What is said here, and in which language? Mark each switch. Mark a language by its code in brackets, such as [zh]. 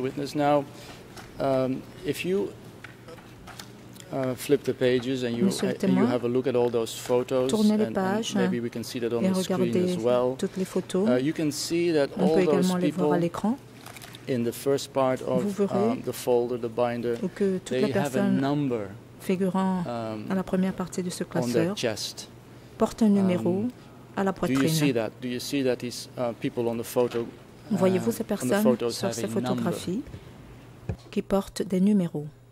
[en] Witness, now, if you flip the pages and you have a look at all those photos, [fr] tournez les pages, [en] and maybe we can see that on the screen as well. [fr] Toutes les photos. [en] You can see that on all those people in the first part of the folder, the binder, they have a number [fr] figurant à la première partie de ce classeur [en] on their chest. [fr] Porte un numéro à la poitrine. [en] Do you see that? Do you see that these people on the photo? [fr] Voyez-vous ces personnes sur ces photographies qui portent des numéros?